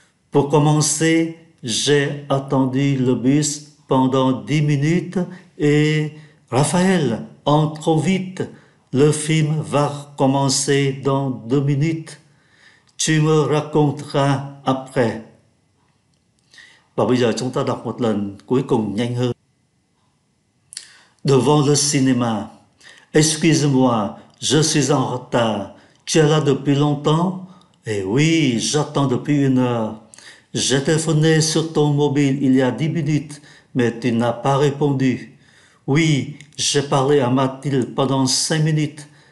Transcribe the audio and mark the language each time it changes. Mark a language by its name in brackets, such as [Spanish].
[French] Pour commencer, j'ai attendu le bus pendant 10 minutes et Raphaël, entre trop vite. Le film va commencer dans 2 minutes. Tu me raconteras après. [Vietnamese] Và bây giờ chúng ta đọc một lần cuối cùng nhanh hơn. [French] Devant le cinéma. Excuse-moi, je suis en retard. Tu es là depuis longtemps? Eh oui, j'attends depuis 1 heure. J'ai téléphoné sur ton mobile il y a 10 minutes, mais tu n'as pas répondu. Oui, j'ai parlé à Mathilde pendant 5 minutes.